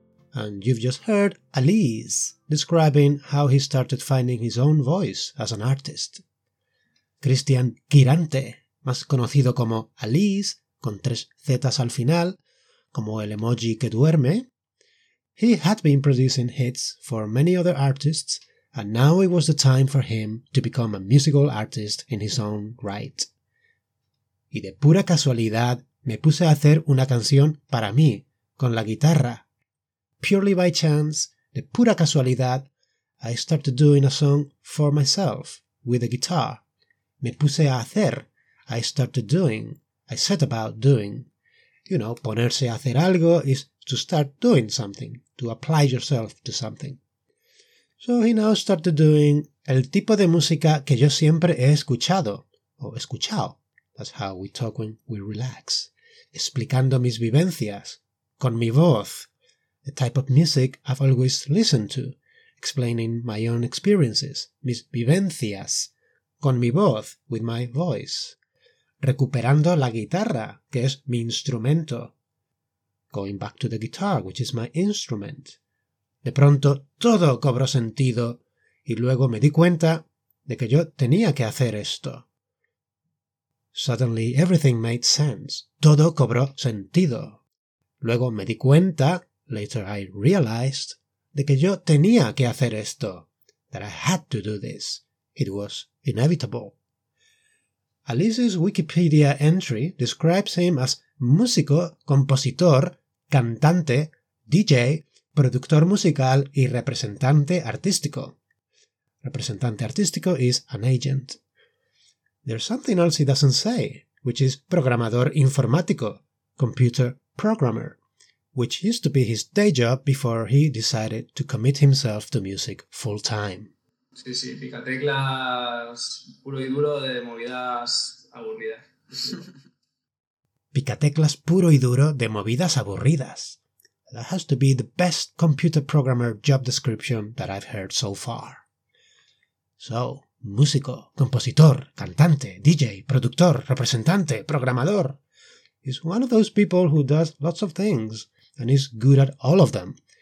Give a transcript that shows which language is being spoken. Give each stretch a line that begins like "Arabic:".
English: And you've just heard Alize describing how he started finding his own voice as an artist.
Spanish: Cristian Quirante, más conocido como Alize, con tres Zetas al final, como el emoji que duerme.
English: He had been producing hits for many other artists, and now it was the time for him to become a musical artist in his own right.
Spanish: Y de pura casualidad me puse a hacer una canción para mí, con la guitarra.
English: Purely by chance,
Spanish: de pura casualidad,
English: I started doing a song for myself, with a guitar.
Spanish: Me puse a hacer,
English: I started doing, I set about doing. You know,
Spanish: ponerse a hacer algo
English: is to start doing something, to apply yourself to something. So he now started doing
Spanish: el tipo de música que yo siempre he escuchado, o escuchado.
English: That's how we talk when we relax.
Spanish: Explicando mis vivencias, con mi voz.
English: The type of music I've always listened to, explaining my own experiences,
Spanish: mis vivencias, con mi voz,
English: with my voice.
Spanish: Recuperando la guitarra, que es mi instrumento.
English: Going back to the guitar, which is my instrument.
Spanish: De pronto, todo cobró sentido, y luego me di cuenta de que yo tenía que hacer esto.
English: Suddenly, everything made sense.
Spanish: Todo cobró sentido. Luego me di cuenta,
English: later I realized,
Spanish: de que yo tenía que hacer esto,
English: that I had to do this. It was inevitable. Alize's Wikipedia entry describes him as
Spanish: músico, compositor, cantante, DJ, productor musical y representante artístico.
English: Representante artístico is an agent. There's something else he doesn't say, which is programador informático, computer programmer, which used to be his day job before he decided to commit himself to music full time.
Spanish: Sí, sí, picateclas puro y duro de movidas aburridas. Picateclas puro y duro de movidas aburridas.
English: That has to be the best computer programmer job description that I've heard so far.
Spanish: So, músico, compositor, cantante, DJ, productor, representante, programador.
English: He's one of those people who does lots of things and is good at all of them.